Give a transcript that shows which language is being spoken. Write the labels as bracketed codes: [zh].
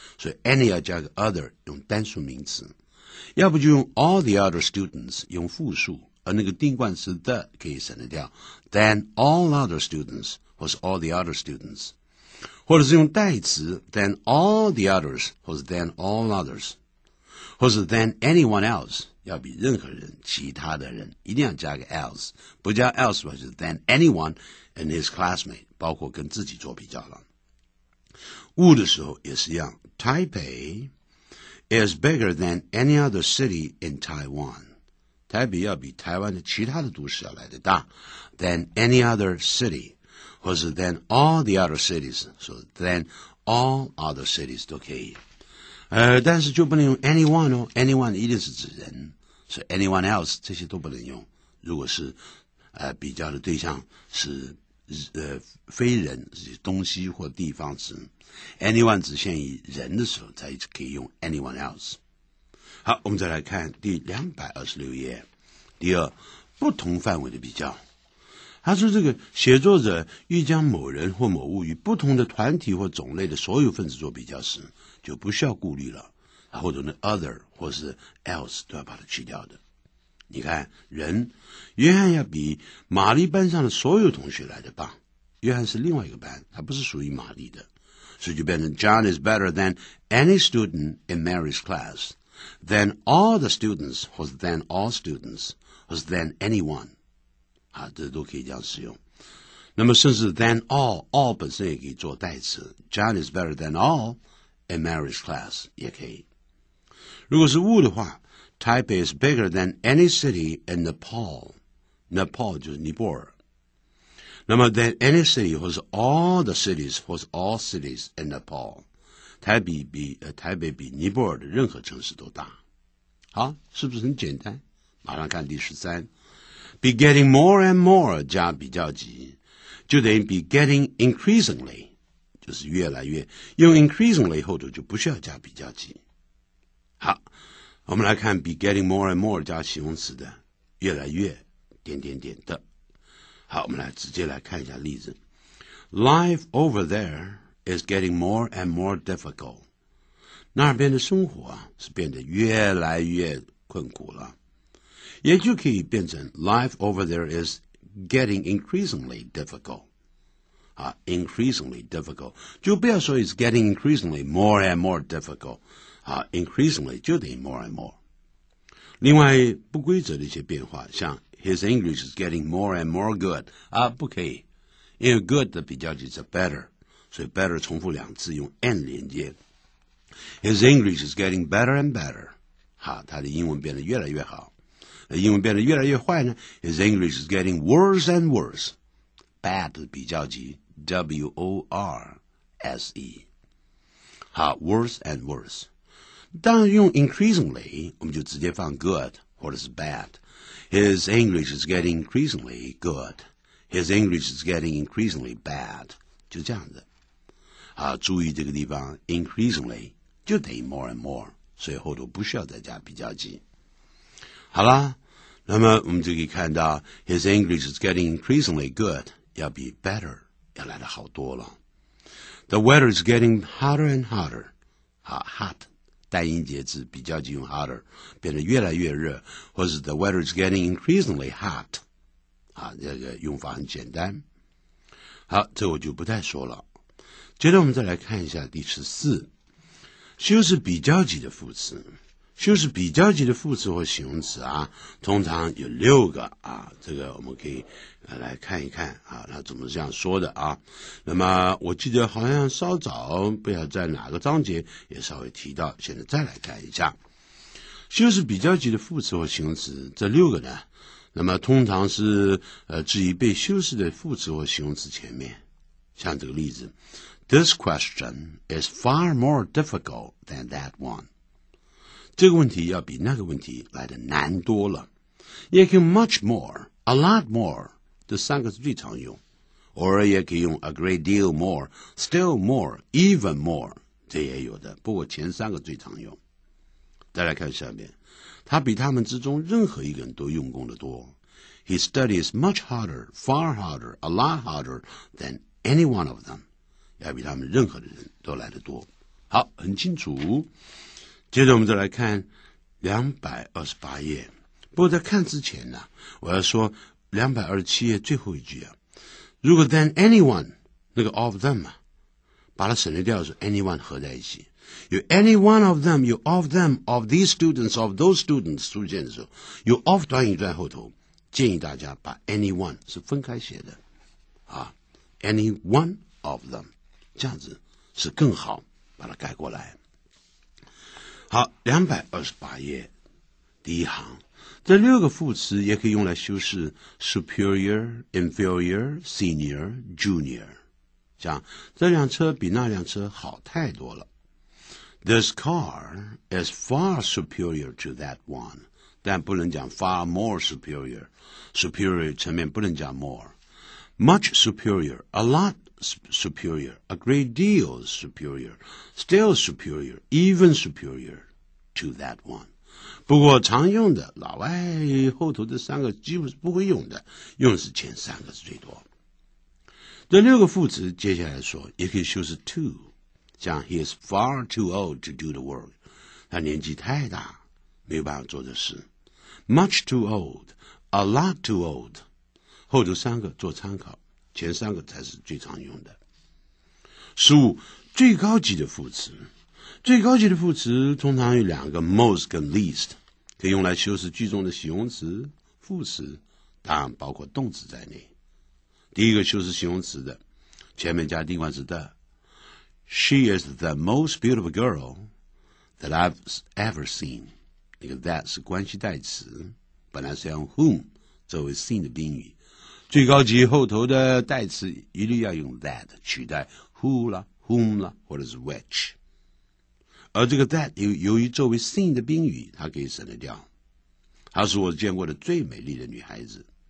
[zh] 所以 any 要加个 other， 用单数名词，要不就用 all the other students， 用复数，而那个定冠词 the 可以省得掉， [en] than all other students 或是 all the other students， [zh] 或者是用代词 [en] than all the others 或是 than all others， [zh] 或是 than anyone else， 要比任何人、其他的人一定要加个 else， 不加 else 或是 [en] than anyone and his classmate， [zh] 包括跟自己做比较了。 [en] 物的时候也是一样， Taipei is bigger than any other city in Taiwan， [zh] 台北要比台湾的其他的都市要来得大， [en] than any other city， 或是 than all the other cities， 所以 than all other cities 都可以。 [zh] 但是就不能用 anyone 哦， anyone 一定是指人，所以 anyone else 这些都不能用。如果是比较的对象是非人，是东西或地方指 anyone 只限于人的时候才可以用 anyone else。好，我们再来看第226页。第二，不同范围的比较。他说这个写作者欲将某人或某物与不同的团体或种类的所有分子做比较时，就不需要顾虑了，或者那 other 或是 else 都要把它去掉的。你看，人，约翰要比玛丽班上的所有同学来得棒，约翰是另外一个班，他不是属于玛丽的，所以就变成 [en] John is better than any student in Mary's classthan all [zh] the students， 或是 than all students， 或是 than anyone， 啊，这都可以这样使用。那么甚至 than all， all 本身也可以做代词， [en] John is better than all in Mary's class [zh] 也可以。如果是物的话， [en] Taipei is bigger than any city in Nepal， [zh] Nepal 就是尼泊尔。那么 than any city， 或是 all the cities， 或是 all cities in Nepal，台北比尼泊尔的任何城市都大。好，是不是很简单？马上看第十三， [en] be getting more and more [zh] 加比较级，就等于 be getting increasingly， 就是越来越，用 increasingly 后头就不需要加比较级。好，我们来看 [en] be getting more and more [zh] 加形容词的越来越点点点的。好，我们来直接来看一下例子。 [en] life over thereis getting more and more difficult， [zh] 那边的生活是变得越来越困苦了，也就可以变成 [en] life over there is getting increasingly difficult， increasingly difficult， [zh] 就不要说 [en] is getting increasingly more and more difficult， increasingly 就等于 more and more。 [zh] 另外不规则的一些变化，像 [en] his English is getting more and more good， [zh] 不可以，因为 good 的比较级是 better，所以 better 重复两次，用 and 连接。 [en] His English is getting better and better， [zh] 他的英文变得越来越好。英文变得越来越坏呢， [en] His English is getting worse and worse， bad 比较级 ,worse。好 ,worse and worse。 [zh] 但用 increasingly, 我们就直接放 good, 或者是 bad。 [en] His English is getting increasingly good. His English is getting increasingly bad. [zh] 就这样子。好注意这个地方 ,increasingly, 就等于 more and more, 所以后头不需要再加比较级。好啦那么我们就可以看到 , [en] his English is getting increasingly good, [zh] 要比 better, 要来得好多了。 [en] The weather is getting hotter and hotter. [zh] 好 ,hot, 单音节字比较级用 hotter, 变得越来越热或是 [en] the weather is getting increasingly hot. [zh] 好这个用法很简单。好这我就不再说了。接着我们再来看一下第十四。修是比较级的副词。修是比较级的副词或形容词啊通常有六个啊这个我们可以来看一看啊他怎么这样说的啊。那么我记得好像稍早不晓得在哪个章节也稍微提到现在再来看一下。修是比较级的副词或形容词这六个呢那么通常是置于被修饰的副词或形容词前面。像这个例子。 [en] This question is far more difficult than that one. [zh] 这个问题要比那个问题来得难多了。也可以用 [en] much more, a lot more, [zh] 这三个是最常用。偶尔也可以用 [en] a great deal more, still more, even more, [zh] 这也有的。不过前三个最常用。再来看下面。他比他们之中任何一个人都用功得多。 [en] He studies much harder, far harder, a lot harder than any one of them. [zh] 要比他们任何的人都来得多。好，很清楚。接着我们再来看228页。不过在看之前呢，我要说227页最后一句啊。如果 than anyone, 那个 of them 啊，把它省略掉的时候 anyone 合在一起。有 any one of them, 有 of them, of these students, of those students 出现的时候，有 of 短语在后头，建议大家把 anyone 是分开写的。啊 any one of them。这样子是更好把它改过来好228页第一行这六个副词也可以用来修饰 [en] superior, inferior, senior, junior [zh] 这样这辆车比那辆车好太多了 [en] This car is far superior to that one [zh] 但不能讲 [en] far more superior superior [zh] 层面不能讲 [en] more much superior, a lotSuperior, a great deal superior, still superior, even superior to that one. [zh] 不过常用的老外后头的三个几乎是不会用的，用的是前三个是最多。这六个副词接下来说也可以修饰 too， 像 [en] he is far too old to do the work， [zh] 他年纪太大，没有办法做的事。 [en] Much too old, a lot too old， [zh] 后头三个做参考。前三个才是最常用的。十五，最高级的副词。最高级的副词通常有两个 most 跟 least， 可以用来修饰句中的形容词、副词，当然包括动词在内。第一个修饰形容词的，前面加定冠词的 [en] ，She is the most beautiful girl that I've ever seen。 [zh] 那个 that 是关系代词，本来是用 whom 作为 seen 的宾语。最高级后头的代词一律要用 that 取代 who 啦 whom 啦或者是 which 而这个 that 由于作为 seen 的宾语它可以省得掉她是我见过的最美丽的女孩子